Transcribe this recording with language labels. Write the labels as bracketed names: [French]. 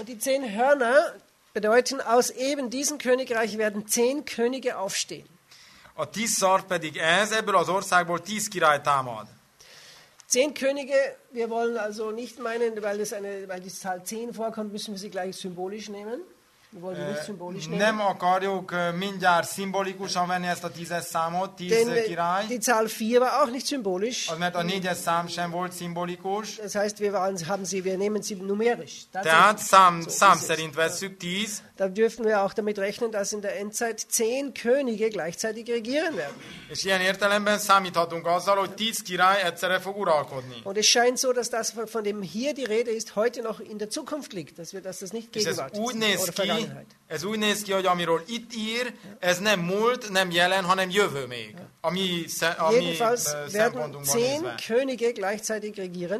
[German] Und die 10 Hörner bedeuten, aus eben diesem Königreich werden 10 Könige aufstehen. [Hungarian] A 10 szar pedig ez, ebből az országból 10 király támad. [German] 10 Könige, wir wollen also nicht meinen, weil es eine, weil die Zahl 10 vorkommt, müssen wir sie gleich symbolisch nehmen. Wir wollen sie nicht symbolisch nehmen. [Hungarian] Nem akarjuk mindjárt szimbolikusan venni ezt a 10-es számot, 10 király. [German] Die Zahl 4 war auch nicht symbolisch. [Hungarian] Az, mert a 4-es szám sem volt szimbolikus. [German] Das heißt, wir nehmen sie numerisch. [Hungarian] Tehát szám szerint vesszük, 10. [German] Da dürfen wir auch damit rechnen, dass in der Endzeit 10 Könige gleichzeitig regieren werden. [Hungarian] És ilyen értelemben számíthatunk azzal, hogy 10 király egyszerre fog uralkodni. [German] Und es scheint so, dass das, von dem hier die Rede ist, heute noch in der Zukunft liegt, dass das nicht gegenwärtig ist. [Hungarian] Ez úgy néz ki, hogy amiről itt ír, ez nem múlt, nem jelen, hanem jövő még. [German] Jedenfalls werden 10 Könige gleichzeitig regieren.